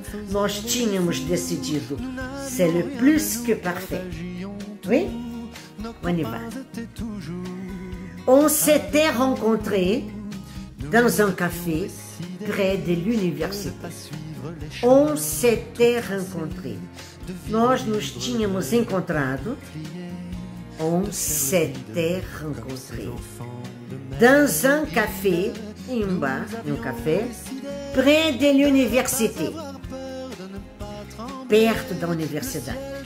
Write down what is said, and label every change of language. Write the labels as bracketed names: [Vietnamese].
[Portuguese] Nós tínhamos decidido. [French] C'est le plus que parfait. Oui? On y va. On s'était rencontrés dans un café près de l'université. On s'était rencontrés. [Portuguese] Nós nos tínhamos encontrado. [French] On s'était rencontrés. Dans un café, [Portuguese] em bar, num café, [French] près de l'université. [Portuguese] Perto da universidade.